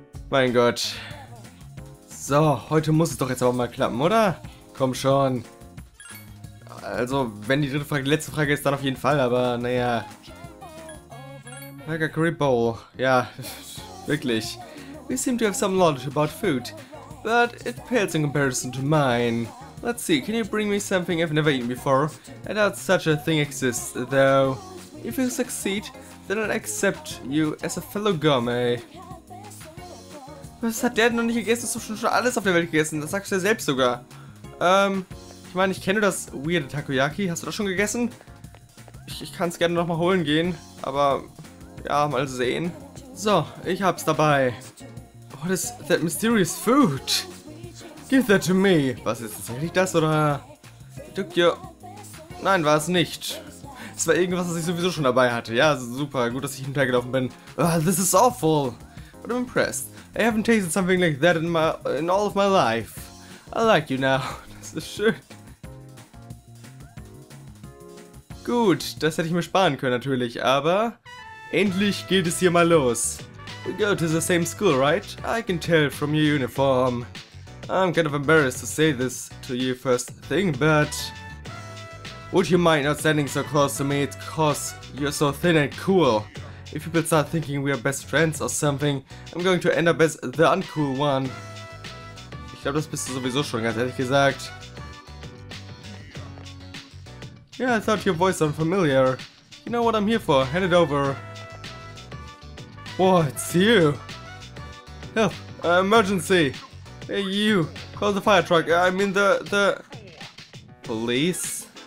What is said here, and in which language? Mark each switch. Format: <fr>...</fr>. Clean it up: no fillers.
<de>Mein Gott. So, heute muss es doch jetzt aber mal klappen, oder? Komm schon. Also, wenn die dritte Frage die letzte Frage ist, dann auf jeden Fall, aber naja.</de> <en>Like a Grip Bowl.</en> <de>Ja, wirklich.</de> <en>We seem to have some knowledge about food, but it pales in comparison to mine. Let's see, can you bring me something I've never eaten before? I doubt such a thing exists, though. If you succeed, then I'll accept you as a fellow gourmet.</en> <de>Was hat der denn noch nicht gegessen? Hast du schon alles auf der Welt gegessen? Das sagst du ja selbst sogar. Ich meine, ich kenne das weirde Takoyaki. Hast du das schon gegessen? Ich kann es gerne nochmal holen gehen. Aber, ja, mal sehen. So, ich hab's dabei.</de> <en>What is that mysterious food? Give that to me.</en> <de>Was ist das? Eigentlich das, oder? Nein, war es nicht. Es war irgendwas, was ich sowieso schon dabei hatte. Ja, super. Gut, dass ich hintergelaufen bin.</de> <en>This is awful. But I'm impressed. I haven't tasted something like that in all of my life. I like you now.</en> <de>Das ist schön. Gut, das hätte ich mir sparen können natürlich, aber endlich geht es hier mal los.</de> <en>We go to the same school, right? I can tell from your uniform. I'm kind of embarrassed to say this to you first thing, but would you mind not standing so close to me? It's 'cause you're so thin and cool. If people start thinking we are best friends or something, I'm going to end up as the uncool one.</en> <de>Ich glaube, das bist du sowieso schon, ganz ehrlich gesagt.</de> <en>Yeah, I thought your voice sounded familiar. You know what I'm here for, hand it over. Whoa, it's you. Help, emergency. Hey, you, call the fire truck, I mean the... Police?</en>